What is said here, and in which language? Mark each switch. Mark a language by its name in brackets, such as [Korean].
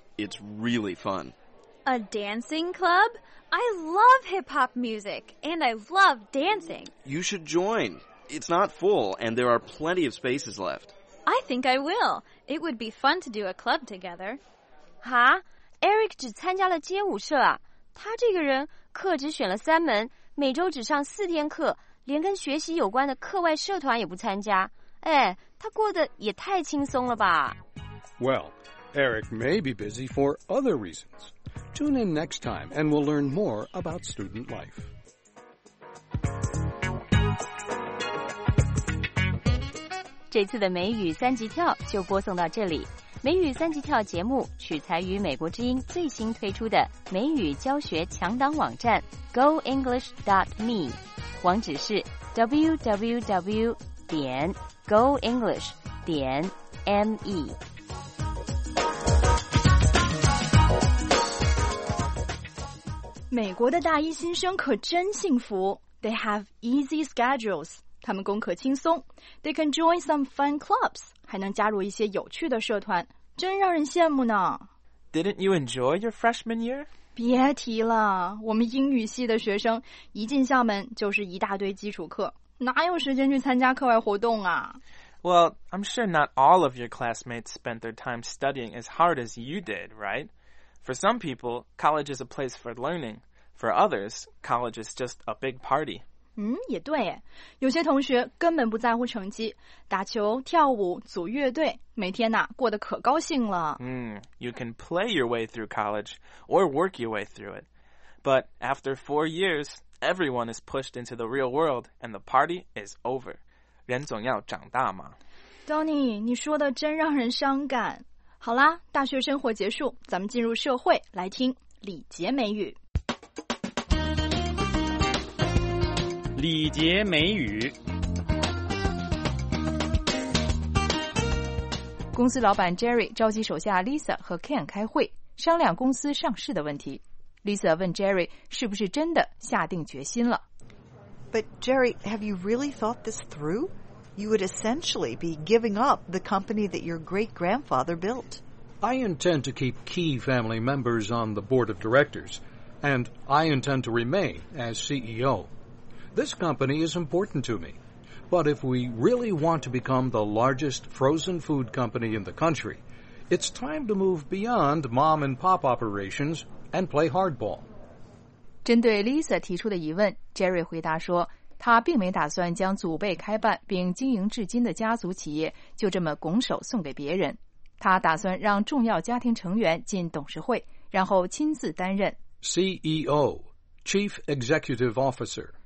[English] It's really fun. A dancing club? I love hip-hop music, and I love dancing. You should join. It's not full, and there are plenty of spaces left. I think I will. It would be fun to do a club together. [Chinese] 哈？Eric 只参加了街舞社啊？他这个人课只选了三门，每周只上四天课，连跟学习有关的课外社团也不参加。哎，他过得也太轻松了吧。 [English] Well, Eric may be busy for other reasons. Tune in next time and we'll learn more about student life. [Chinese] 这次的美语三级跳就播送到这里。美语三级跳节目取材于美国之音最新推出的美语教学强档网站 goenglish.me， 网址是 www.goenglish.me。美国的大一新生可真幸福 ， [English] They have easy schedules， [Chinese] 他们功课轻松 ， [English] They can join some fun clubs， [Chinese] 还能加入一些有趣的社团。真让人羡慕呢。 [English] Didn't you enjoy your freshman year? [Chinese] 别提了，我们英语系的学生一进校门就是一大堆基础课，哪有时间去参加课外活动啊。 [English] Well, I'm sure not all of your classmates spent their time studying as hard as you did, right? For some people, college is a place for learning. For others, college is just a big party. [Chinese] 嗯，也对，有些同学根本不在乎成绩，打球、跳舞、组乐队，每天呐过得可高兴了。 [English] 嗯、you can play your way through college or work your way through it. But after 4 years, everyone is pushed into the real world and the party is over. [Chinese] 人总要长大嘛。 Donny, 你说的真让人伤感。好啦，大学生活结束，咱们进入社会，来听礼节美语。礼节美语。公司老板 Jerry 召集手下 Lisa 和 Ken 开会，商量公司上市的问题。 Lisa 问 Jerry 是不是真的下定决心了。 [English] But Jerry, have you really thought this through? You would essentially be giving up the company that your great-grandfather built. I intend to keep key family members on the board of directors, and I intend to remain as CEO. This company is important to me, but if we really want to become the largest frozen food company in the country, it's time to move beyond mom-and-pop operations and play hardball. [Chinese] 针对 Lisa 提出的疑问， Jerry 回答说，他并没打算将祖辈开办并经营至今的家族企业就这么拱手送给别人。他打算让重要家庭成员进董事会，然后亲自担任 [English] CEO, Chief Executive Officer.